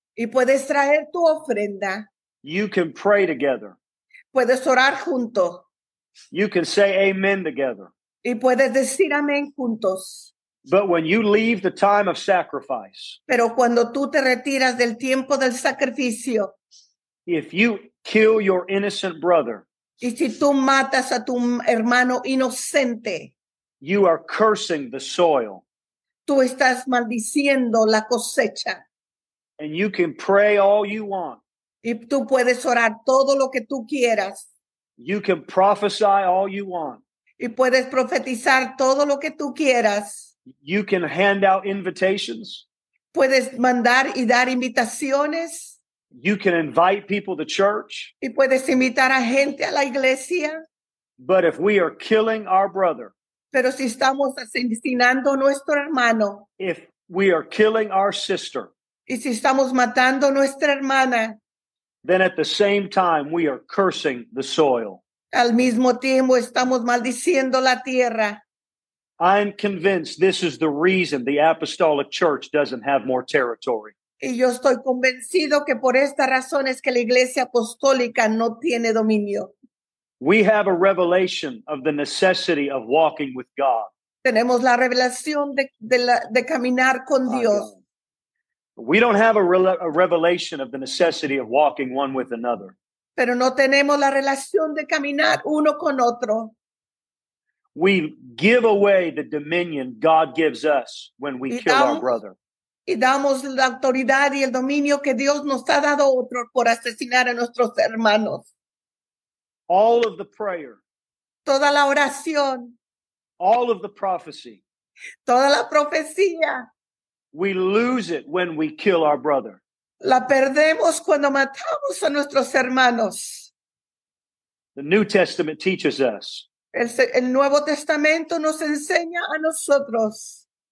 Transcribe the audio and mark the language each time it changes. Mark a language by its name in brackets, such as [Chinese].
[Spanish] Y puedes traer tu ofrenda. [English] You can pray together. [Spanish] Puedes orar junto. [English] You can say amen together. [Spanish] Y puedes decir amén juntos. [English] But when you leave the time of sacrifice, [Spanish] pero cuando tú te retiras del tiempo del sacrificio, [English] if you kill your innocent brother, [Spanish] y si tú matas a tu hermano inocente, [English] you are cursing the soil. [Spanish] Tú estás maldiciendo la cosecha. [English] And you can pray all you want. [Spanish] Y tú puedes orar todo lo que tú quieras. [English] You can prophesy all you want. [Spanish] Y puedes profetizar todo lo que tú quieras. [English] You can hand out invitations. [Spanish] Puedes mandar y dar invitaciones. [English] You can invite people to church. [Spanish] Y puedes invitar a gente a la iglesia. [English] But if we are killing our brother, [Spanish] pero si estamos asesinando a nuestro hermano, [English] if we are killing our sister, [Spanish] y si estamos matando a nuestra hermana, [English] then at the same time we are cursing the soil. [Spanish] Al mismo tiempo estamos maldiciendo la tierra. [English] I'm convinced this is the reason the Apostolic Church doesn't have more territory. [Spanish] Y yo estoy convencido que por esta razón es que la Iglesia Apostólica no tiene dominio. [English] We have a revelation of the necessity of walking with God. [Spanish] Tenemos la revelación de caminar con Dios. [English] We don't have a revelation of the necessity of walking one with another. [Spanish] Pero no tenemos la relación de caminar uno con otro. [English] We give away the dominion God gives us when we kill our brother. [Spanish] Y damos la autoridad y el dominio que Dios nos ha dado otro por asesinar a nuestros hermanos. [English] All of the prayer. [Spanish] Toda la oración. [English] All of the prophecy. [Spanish] Toda la profecía. [English] We lose it when we kill our brother. [Spanish] La perdemos cuando matamos a nuestros hermanos. [English] The New Testament teaches us. [Spanish] El Nuevo Testamento nos enseña a nosotros.